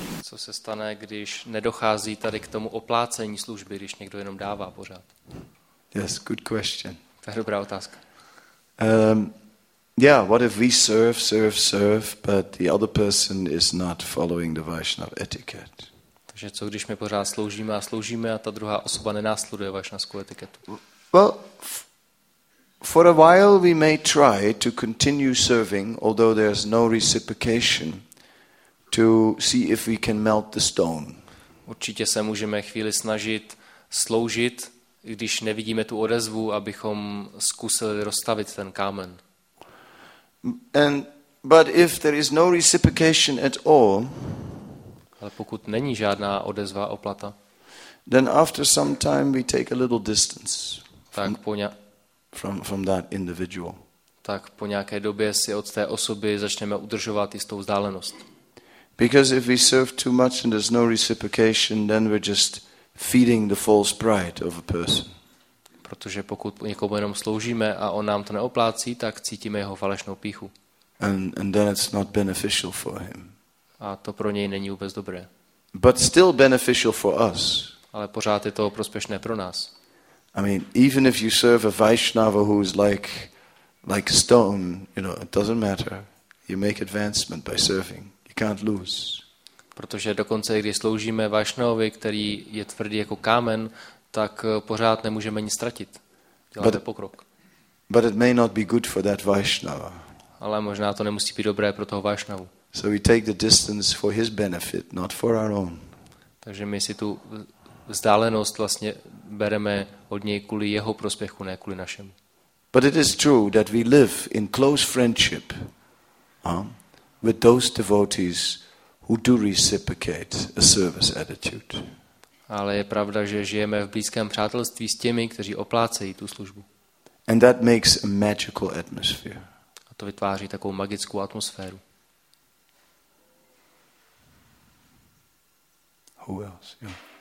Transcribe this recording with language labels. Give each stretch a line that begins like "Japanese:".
Czech: Co se stane, když nedochází tady k tomu oplácení služby, když někdo jenom dává pořád?
English: Yes, good question.
Czech: To je dobrá otázka.
English: Yeah, what if we serve, but the other person is not following the Vaishnava etiquette?
Czech: Takže co když my pořád sloužíme a ta druhá osoba nenásleduje vaishnavskou etiketu?
English: Well, for a while we may try to continue serving, although there's no reciprocation, to see if we can melt the stone.
Czech: Určitě se můžeme chvíli snažit sloužit, když nevidíme tu odezvu, abychom zkusili rozstavit ten kámen.
English: And but if there is no reciprocation at all,
Czech: ale pokud není žádná odezva, oplata,
English: then after some time we take a little distance from that individual.
Czech: Tak po nějaké době si od té osoby začneme udržovat jistou vzdálenost.
English: Because if we serve too much and there's no reciprocation, then we're just feeding the false pride of a person.
Czech: Protože pokud někomu jenom sloužíme a on nám to neoplácí, tak cítíme jeho falešnou píchu.
English: And then it's not beneficial for him.
Czech: A to pro něj není vůbec dobré.
English: But still beneficial for us.
Czech: Ale pořád je to prospěšné pro nás.
English: I mean, even if you serve a Vaishnava who is like stone, you know, it doesn't matter. You make advancement by serving. Can't lose.
Czech: Protože dokonce, když sloužíme Vaishnavovi, který je tvrdý jako kámen, tak pořád nemůžeme nic ztratit. Děláme pokrok.
English: But it may not be good for that Vaishnava.
Czech: Ale možná to nemusí být dobré pro toho Vaishnavu.
English: So we take the distance for his benefit, not for our own.
Czech: Takže my si tu vzdálenost vlastně bereme od něj kvůli jeho prospěchu, ne kvůli našemu.
English: But it is true that we live in close friendship. With those devotees who do reciprocate a service attitude.
Czech: Ale je pravda, že žijeme v blízkém přátelství s těmi, kteří oplácejí tu službu.
English: And that makes a magical atmosphere.
Czech: A to vytváří takovou magickou atmosféru.
English: Who else? Yeah.